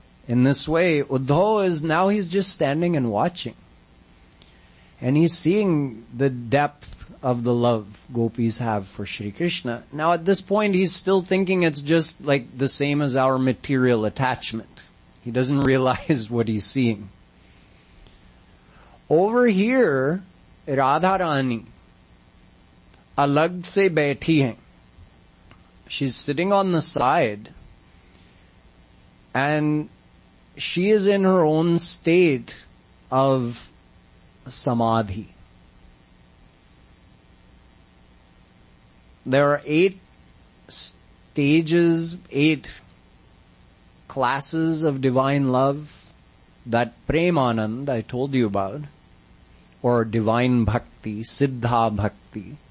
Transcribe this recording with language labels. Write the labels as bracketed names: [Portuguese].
[English] In this way, Uddhav is now, he's just standing and watching. And he's seeing the depth of the love gopis have for Shri Krishna. Now at this point, he's still thinking it's just like the same as our material attachment. He doesn't realize what he's seeing. Over here, [Hindi] Radharani, अलग से बैठी है. [English] She's sitting on the side, and she is in her own state of samadhi. There are eight stages, eight classes of divine love that premanand I told you about, or divine bhakti, siddha bhakti.